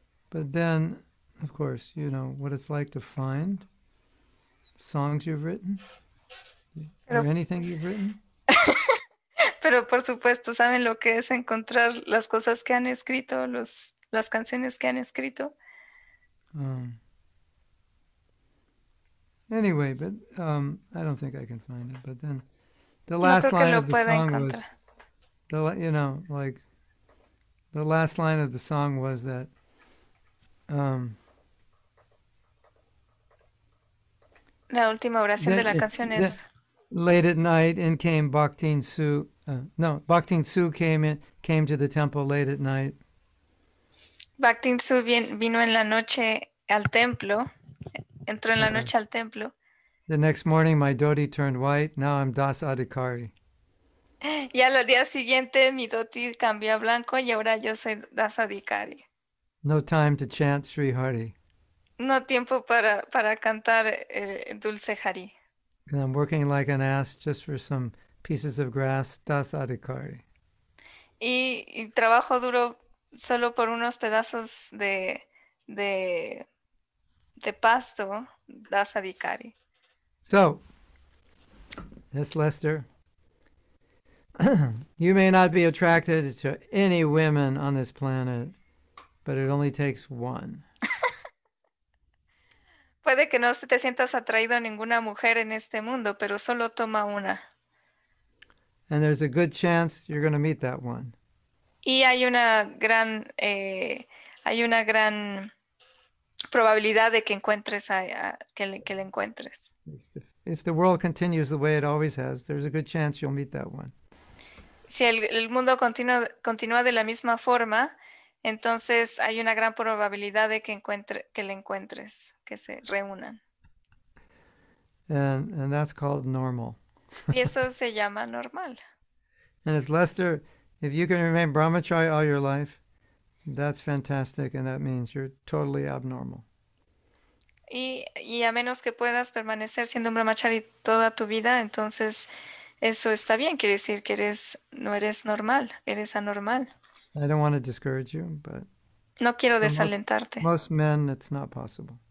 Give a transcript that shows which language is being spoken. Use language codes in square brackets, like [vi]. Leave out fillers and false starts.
[en] But then, of course, you know what it's like to find songs you've written. Or anything you've written? [es] Pero por supuesto, ¿saben lo que es encontrar las cosas que han escrito, las canciones que han escrito? [en] Anyway, but I don't think I can find it. But then the [es] No [en] last [es] creo que [en] line of the [es] pueda [en] song was [es] encontrar. [en] the you know, like the last line of the song was that [es] La última oración de la canción es. [en] that late at night in came Bhaktin Su. No, Bhaktin Su came to the temple late at night. [es] Bhaktin Su vino en la noche al templo, entró en la [en] Right. [es] noche al templo. [en] The next morning my dhoti turned white. Now I'm Das Adhikari. [es] Y al día siguiente mi dhoti cambió a blanco y ahora yo soy Dasadikari. [en] No time to chant Sri Hari. [es] No tiempo para cantar Dulce Hari. [en] And I'm working like an ass just for some pieces of grass, Das Adhikari. [es] Y trabajo duro. Solo por unos pedazos de pasto, das adicari. [en] So, Miss Lester, you may not be attracted to any women on this planet, but it only takes one. [es] Puede que no se te sientas atraído a ninguna mujer en este mundo, pero solo toma una. [en] And there's a good chance you're going to meet that one. [es] Y hay una gran probabilidad de que encuentres que le encuentres. [en] If the world continues the way it always has, there's a good chance you'll meet that one. [es] Si el mundo continúa de la misma forma, entonces hay una gran probabilidad de que le encuentres, que se reúnan. [en] And that's called normal. [es] Y eso se llama normal. [en] And it's Lester, if you can remain brahmachari all your life, that's fantastic, and that means you're totally abnormal. [es] Y a menos que puedas permanecer siendo un brahmachari toda tu vida, entonces Eso está bien, quiere decir que no eres normal, eres anormal. [en] I don't want to discourage you, but [es] No quiero [en] for [es] desalentarte. [en] most men, it's not possible.